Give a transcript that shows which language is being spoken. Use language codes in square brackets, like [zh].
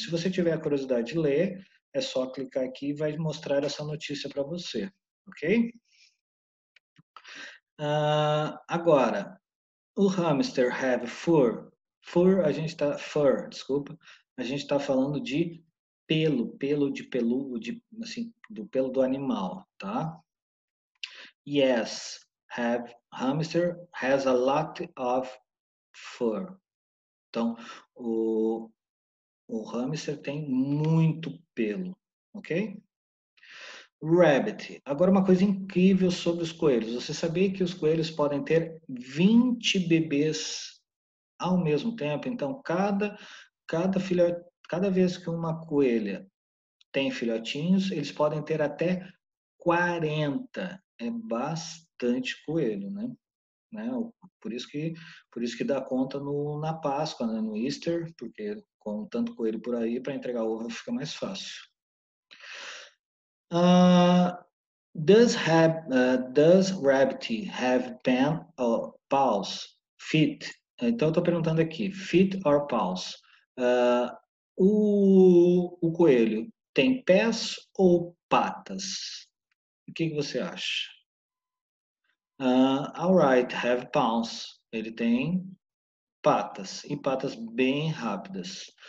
[pt] Se você tiver a curiosidade de ler, é só clicar aqui e vai mostrar essa notícia para você, ok? Agora, o hamster [en] have fur. [pt] Fur, a gente está. Fur, desculpa. A gente está falando de pelo. Pelo de peludo, assim, do pelo do animal, tá? [en] Yes, hamster has a lot of fur. [pt] Então, o hamster tem muito pelo. Ok? Rabbit. Agora uma coisa incrível sobre os coelhos. Você sabia que os coelhos podem ter 20 bebês ao mesmo tempo? Então, cada vez que uma coelha tem filhotinhos, eles podem ter até 40. É bastante coelho, né? Por isso que dá conta no, na Páscoa, né? No Easter, porque com tanto coelho por aí, para entregar ovo fica mais fácil. [en] Does rabbit have pen or paws? Feet. [pt] Então, eu estou perguntando aqui, [en] feet or paws? [pt] O coelho tem pés ou patas? O que que você acha? [en] All right, have paws. [pt] Ele tem patas, e patas bem rápidas.